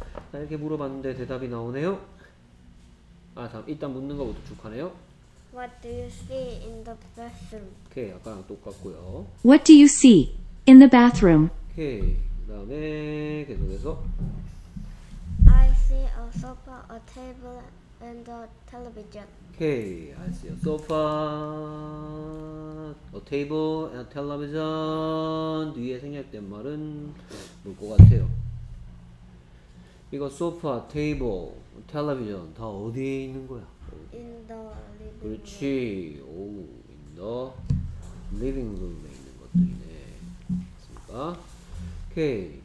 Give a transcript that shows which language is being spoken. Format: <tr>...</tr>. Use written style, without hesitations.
<ko>자, 이렇게 물어봤는데 대답이 나오네요. 아, 다음 일단 묻는 것부터 쭉 하네요.</ko> <en>What do you see in the bathroom?</en> <ko>오케이, 아까랑 똑같고요.</ko> <en>What do you see in the bathroom?</en> <ko>오케이, 그다음에 계속해서.</ko> <en>I see a sofa, a table, and a television. Okay, I see a sofa, a table, and a television.</en> <ko>뒤에 생략된 말은 뭘것 같아요? 이거 소파, 테이블, 텔레비전 다 어디에 있는 거야?</ko> <en>In the living room.</en> <ko>그렇지. 오,</ko> <en>in the living room</en> <ko>에 있는 것들이네. 맞습니까? 오케이.</ko>